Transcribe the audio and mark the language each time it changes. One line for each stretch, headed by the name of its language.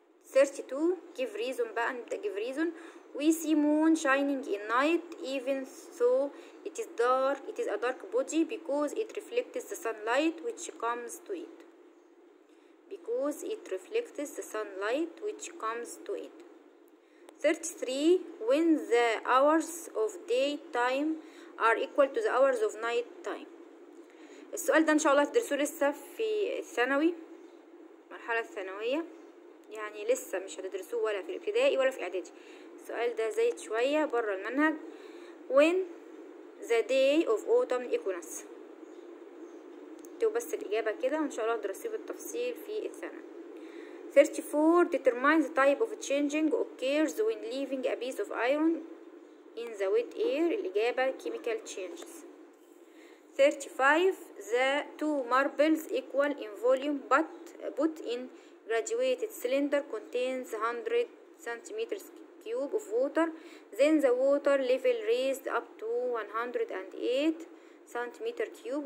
English: 32 give reason
Arabic: بقى نبدا
English: give reason. We see moon shining in night even so it is dark it is a dark body because it reflects the sunlight which comes to it because it reflects the sunlight which comes to it. 33 when the hours of day time are equal to the hours of night time.
Arabic: السؤال ده ان شاء الله هتدرسوه لسه في الثانوي المرحله الثانويه يعني لسه مش هتدرسوه ولا في الابتدائي ولا في اعدادي. السؤال ده زايد شويه بره المنهج.
English: when the day of autumn equinox.
Arabic: اكتبوا بس الاجابه كده وان شاء الله هتدرسيه بالتفصيل في الثانوي.
English: 34 determine the type of changing occurs when leaving a piece of iron in the wet air.
Arabic: الإجابة
English: chemical changes. 35 the two marbles equal in volume but put in graduated cylinder contains 100 centimeters cube of water then the water level raised up to 108 centimeter cube.